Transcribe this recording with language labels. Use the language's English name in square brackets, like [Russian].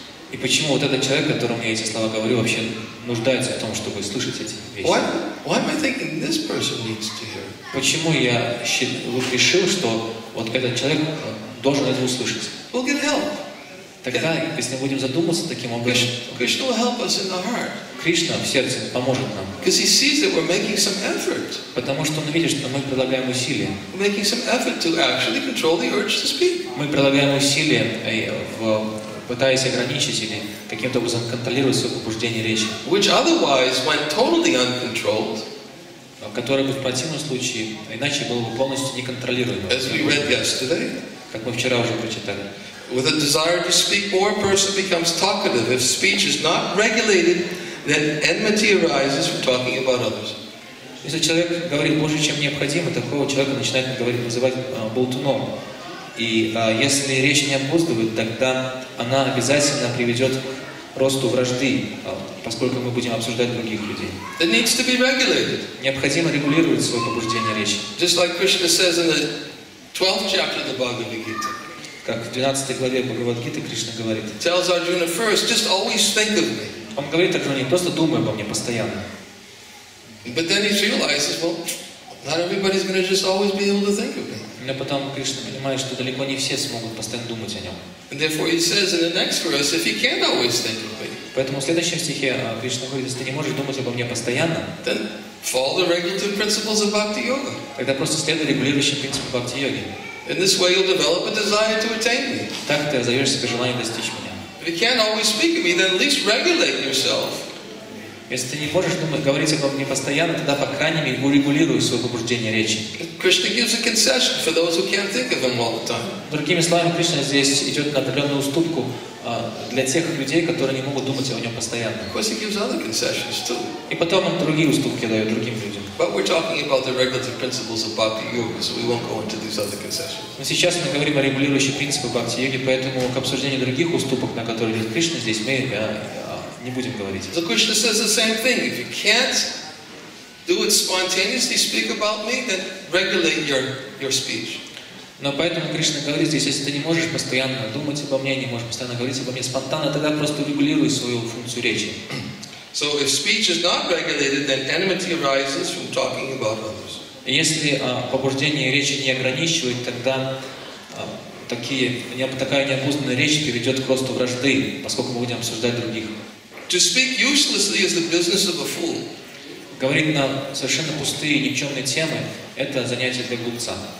[Russian] И почему вот этот человек, которому я эти слова говорю, вообще нуждается в том, чтобы слышать эти вещи? Почему я решил, что вот этот человек должен это услышать? Тогда, если мы будем задуматься таким образом, [English] Krishna will help us in the heart. [Russian] Кришна в сердце поможет нам. [English] Because he sees that we're making some effort. [Russian] Потому что он видит, что мы прилагаем усилия. [English] We're making some effort to actually control the urge to speak. [Russian] Мы прилагаем усилия, пытаясь ограничить или каким-то образом контролировать свое побуждение речи. [English] Which otherwise went totally uncontrolled. [Russian] Которое бы в противном случае иначе было бы полностью неконтролируемо. [English] As we read yesterday. [Russian] Как мы вчера уже прочитали. [English] With a desire to speak more, a person becomes talkative. If speech is not regulated, then enmity arises from talking about others. [Russian] Если человек говорит больше, чем необходимо, такого человека начинает говорить, называть болтуном. И если речь не обуздывает, тогда она обязательно приведет к росту вражды, поскольку мы будем обсуждать других людей. [English] It needs to be regulated. [Russian] Необходимо регулировать свое побуждение речи. [English] Just like Krishna says in the 12th chapter of the Bhagavad Gita. [Russian] Как в 12 главе Бхагавад-гиты Кришна говорит. [English] Tells Arjuna first, just always think of me. [Russian] Он говорит Арджуне, просто думай обо мне постоянно. [English] But then he realizes, well, not everybody's going to just always be able to think of me. [Russian] Но потом Кришна понимает, что далеко не все смогут постоянно думать о нем. [English] And therefore he says in the next verse, if you can't always think of me. [Russian] Поэтому в следующем стихе Кришна говорит, если ты не можешь думать обо мне постоянно. [English] Then follow the regulative principles of Bhakti Yoga. [Russian] Тогда просто следуй регулирующим принципам Бхакти Йоги. [English] In this way, you'll develop a desire to attain me. [Russian] Так ты разовьешь себе желание достичь меня. [English] If you can't always speak of me, then at least regulate yourself. [Russian] Если ты не можешь думать, говорить обо мне постоянно, тогда по крайней мере урегулируй свое побуждение речи. [English] Krishna gives a concession for those who can't think of him all the time. [Russian] Другими словами, Кришна здесь идет на определенную уступку для тех людей, которые не могут думать о нем постоянно. [English] Of course, he gives other concessions too. [Russian] И потом он другие уступки дает другим людям. [English] But we're talking about the regulative principles of Bhakti Yoga, so we won't go into these other concessions. [Russian] Но сейчас мы говорим о регулирующих принципах Бхакти Йоги, поэтому к обсуждению других уступок, на которые идет Кришна, здесь мы не будем говорить. [English] So Krishna says the same thing. If you can't do it spontaneously, speak about me, then regulate your speech. [Russian] Но поэтому Кришна говорит здесь, если ты не можешь постоянно думать обо мне, не можешь постоянно говорить обо мне спонтанно, тогда просто регулируй свою функцию речи. [English] So if speech is not regulated, then enmity arises from talking about others. [Russian] Если побуждение речи не ограничивает, тогда такая необузданная речь приведет к росту вражды, поскольку мы будем обсуждать других. [English] To speak uselessly is the business of a fool. [Russian] Говорить на совершенно пустые, никчемные темы — это занятие для глупца.